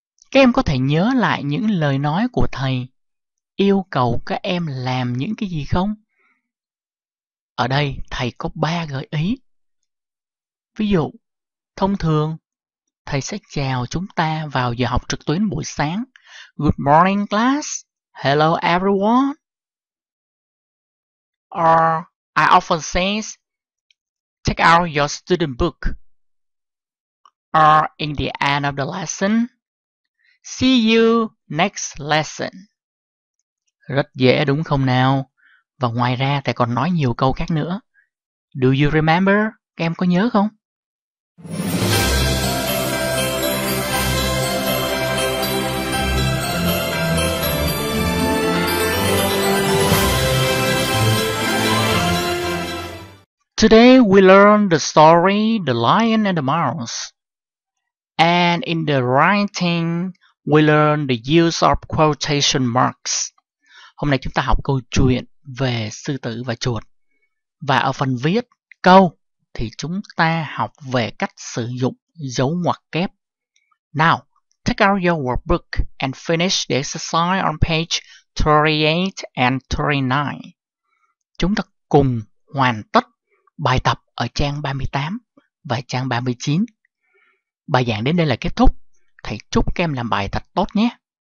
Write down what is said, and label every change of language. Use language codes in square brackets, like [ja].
[vi] Các em có thể nhớ lại những lời nói của thầy yêu cầu các em làm những cái gì không? Ở đây, thầy có 3 gợi ý. Ví dụ, thông thường, thầy sẽ chào chúng ta vào giờ học trực tuyến buổi sáng. [en] Good morning, class. Hello everyone. Or I often say, take out your student book. Or in the end of the lesson, See you next lesson. [vi] Rất dễ đúng không nào? Và ngoài ra thầy còn nói nhiều câu khác nữa. [en] Do you remember? [vi] Các em có nhớ không? [en] Today we learn the story The Lion and the Mouse. And in the writing, we learn the use of quotation marks. [vi] Hôm nay chúng ta học câu chuyện về sư tử và chuột. Và ở phần viết câu thì chúng ta học về cách sử dụng dấu ngoặc kép. [en] Now, take out your workbook and finish the exercise on page 38 and 39. [vi] Chúng ta cùng hoàn tất bài tập ở trang 38 và trang 39. Bài giảng đến đây là kết thúc. Thầy chúc các em làm bài thật tốt nhé.